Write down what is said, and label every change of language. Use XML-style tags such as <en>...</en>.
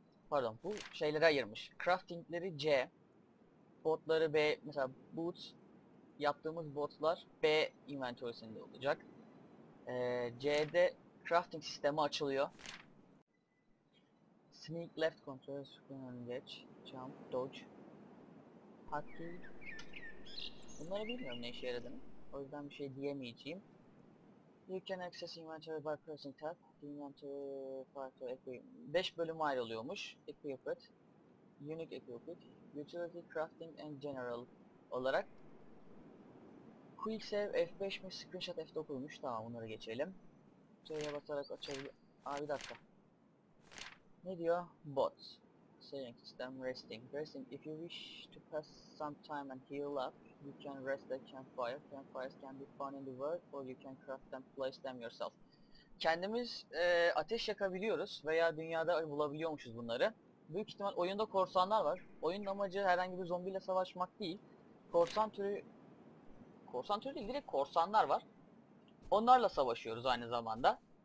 <tr>Pardon, bu şeyleri ayırmış. Crafting'leri C, botları B, mesela boots, yaptığımız botlar B inventory'sinde olacak. C'de crafting sistemi açılıyor.</tr> <en>Sneak left control, screen on edge, jump, dodge, hotkey.</en> <tr>Bunları bilmiyorum ne işe yaradığını. O yüzden bir şey diyemeyeceğim.</tr> <en>You can access inventory by pressing tab.</en> <tr>Inventory 5 bölüm ayrılıyormuş. Equipped, Unique Equipped, Utility, Crafting and General olarak. Quick Save F5'miş, Screenshot F9'muş. Tamam, bunları geçelim. C'ye basarak açabilirim. Aa, bir dakika. Ne diyor? Bots.</tr> <en>Saving system, resting. Resting, if you wish to pass some time and heal up, you can rest at campfire. Campfires can be found in the world or you can craft them, place them yourself.</en> <tr>Kendimiz ateş yakabiliyoruz veya dünyada bulabiliyormuşuz bunları. Büyük ihtimal oyunda korsanlar var. Oyunun amacı herhangi bir zombiyle savaşmak değil. Korsan türü değil, direkt korsanlar var. Onlarla savaşıyoruz aynı zamanda.</tr>